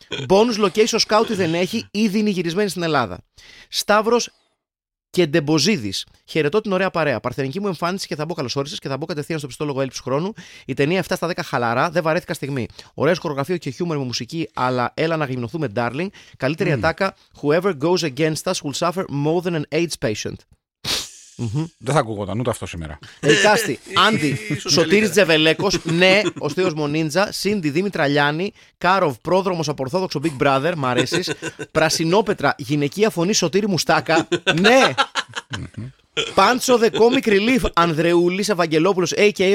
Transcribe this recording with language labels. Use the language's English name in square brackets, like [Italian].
[Greek] Bonus location scout δεν έχει, ήδη είναι γυρισμένη στην Ελλάδα. Σταύρος Κεντεμποζίδης. Χαιρετώ την ωραία παρέα. Παρθενική μου εμφάνιση και θα μπω καλωσόρισες και θα μπω κατευθείαν στο πιστόλογο έλλειψη χρόνου. Η ταινία 7 στα 10 χαλαρά. Δεν βαρέθηκα στιγμή. Ωραίες χορογραφίες και χιούμορ με μουσική, αλλά έλα να γυμνοθούμε, darling. Καλύτερη ατάκα. [English] Whoever goes against us will suffer more than an AIDS patient. [Greek] Δεν θα ακούγονταν ούτε αυτό σήμερα. Ελκάστη, Άντι, Σωτήρης Τζεβελέκος, ναι, ο Θείος Μονίντζα, Σίντι Δήμητρα Λιάννη, Κάροβ, πρόδρομος από Ορθόδοξο Big Brother, μ' αρέσεις, Πρασινόπετρα, γυναικεία φωνή Σωτήρη Μουστάκα, ναι, Πάντσο The Comic Relief, Ανδρεούλης Ευαγγελόπουλος, a.k.a.